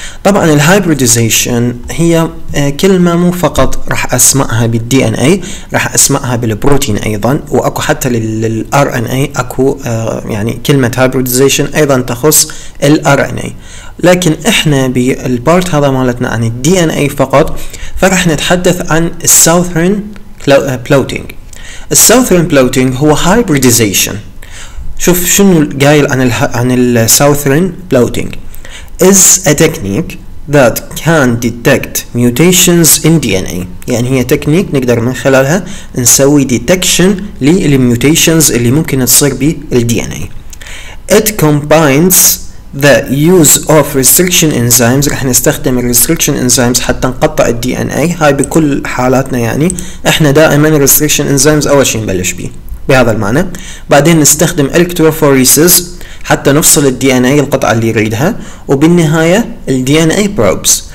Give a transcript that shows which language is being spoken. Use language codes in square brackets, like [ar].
[ar] طبعا الهايبريدزيشن هي كلمه مو فقط راح اسمعها بالدي ان اي، راح اسمعها بالبروتين ايضا، واكو حتى للار ان اي اكو يعني كلمه هايبريدزيشن ايضا تخص الار ان اي. لكن احنا بالبارت هذا مالتنا عن الدي ان اي فقط، فراح نتحدث عن الساوثرن بلوتينج. الساوثرن بلوتينج هو هايبريدزيشن. شوف شنو قايل عن الساوثرن بلوتينج. [en] is a technique that can detect mutations in DNA. [ar] يعني هي تكنيك نقدر من خلالها نسوي detection للميوتيشنز اللي ممكن تصير بالDNA. [en] it combines the use of restriction enzymes. [ar] رح نستخدم restriction enzymes حتى نقطع الDNA. هاي بكل حالاتنا، يعني احنا دائما restriction enzymes اول شيء نبلش به بهذا المعنى. بعدين نستخدم electrophoresis حتى نفصل الدي ان اي القطعة اللي يريدها، وبالنهاية الدي ان اي probes.